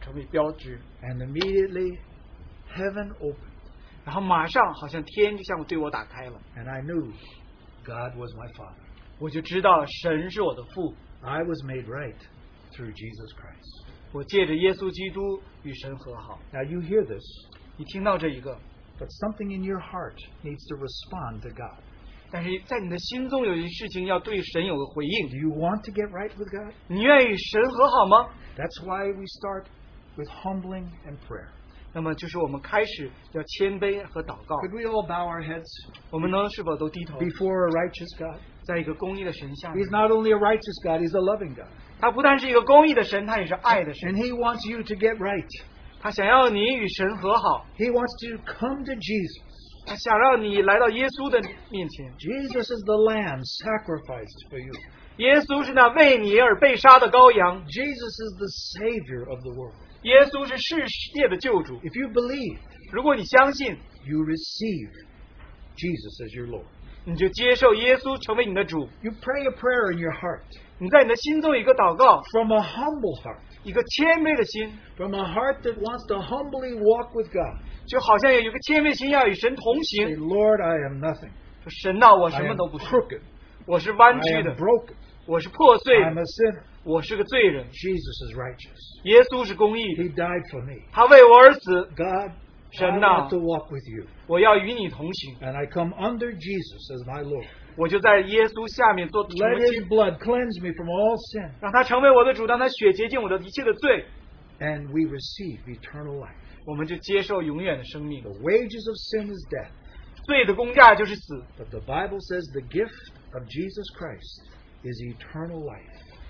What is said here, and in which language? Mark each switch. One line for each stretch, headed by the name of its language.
English: and immediately, heaven opened.
Chinese: 然后马上好像天就向我对我打开了,
English: and I knew God was my Father.
Chinese: 我就知道神是我的父,
English: I was made right through Jesus Christ.
Chinese: 我借着耶稣基督与神和好。
English: Now you hear this.
Chinese: 你听到这一个,
English: but something in your heart needs to respond to God.
Chinese: 但是在你的心中有些事情要对神有个回应。
English: Do you want to get right with God?
Chinese: 你愿意神和好吗?
English: That's why we start with humbling and prayer.
Chinese: 那么就是我们开始要谦卑和祷告。
English: Could we all bow our heads?
Chinese: 我们能是否都低头?
English: Before a righteous God.
Chinese: 在一个公义的神下面。
English: He's not only a righteous God, he's a loving God.
Chinese: 他不但是一个公义的神, 他也是爱的神。
English: And he wants you to get right.
Chinese: 他想要你与神和好。
English: He wants to come to Jesus.
Chinese: 他想让你来到耶稣的面前。
English: Jesus is the lamb sacrificed for you.
Chinese: 耶稣是那为你而被杀的羔羊。
English: Jesus is the savior of the world.
Chinese: 耶稣是世界的救主。
English: If you believe,
Chinese: 如果你相信,
English: you receive Jesus as your Lord.
Chinese: 你就接受耶稣成为你的主。
English: You pray a prayer in your heart.
Chinese: 你在你的心中有一个祷告,
English: from a humble heart.
Chinese: 一个谦卑的心,
English: from a heart that wants to humbly walk with God.
Chinese: 就好像有一个谦卑心要与神同行。
English: Say, Lord, I am nothing.
Chinese: 说神啊, 我什么都不是。
English: I am crooked.
Chinese: 我是弯曲的。
English: I am broken.
Chinese: 我是破碎,
English: I am a sinner.
Chinese: 我是个罪人。
English: Jesus is righteous.
Chinese: 耶稣是公义的。
English: He died for me.
Chinese: 他为我而死。
English: God,
Chinese: 神啊,
English: I want to walk with you.
Chinese: 我要与你同行。
English: And I come under Jesus as my Lord.
Chinese: 我就在耶稣下面做主。
English: Let his blood cleanse me from all sin.
Chinese: 让他成为我的主, 让他血洁净我的一切的罪。
English: And we receive eternal life.
Chinese: 我们就接受永远的生命。
English: The wages of sin is death.
Chinese: 罪的工价就是死。
English: But the Bible says the gift of Jesus Christ is eternal life.